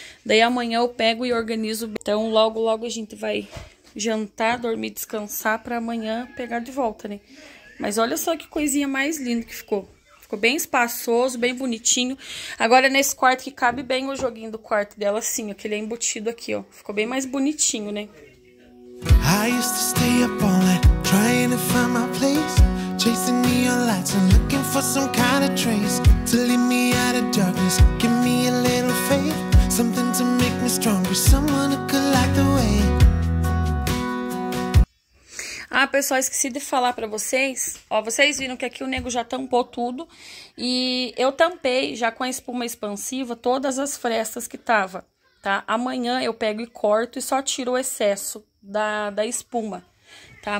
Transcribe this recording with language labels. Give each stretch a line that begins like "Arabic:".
Portuguese: Daí amanhã eu pego e organizo. Então logo, logo a gente vai jantar, dormir, descansar pra amanhã pegar de volta, né? Mas olha só que coisinha mais linda que ficou. Ficou bem espaçoso, bem bonitinho. Agora nesse quarto que cabe bem o joguinho do quarto dela, assim, ó, que ele é embutido aqui, ó. Ficou bem mais bonitinho, né?
English: I used to stay up all night, trying to find my place. Chasing neon lights and looking for some kind of trace. To lead me out of darkness, give me a little faith. Something to make me stronger, someone who could light the way.
Portuguese: Ah, pessoal, esqueci de falar pra vocês. Ó, vocês viram que aqui o nego já tampou tudo. E eu tampei já com a espuma expansiva todas as frestas que tava, tá? Amanhã eu pego e corto e só tiro o excesso da espuma, tá?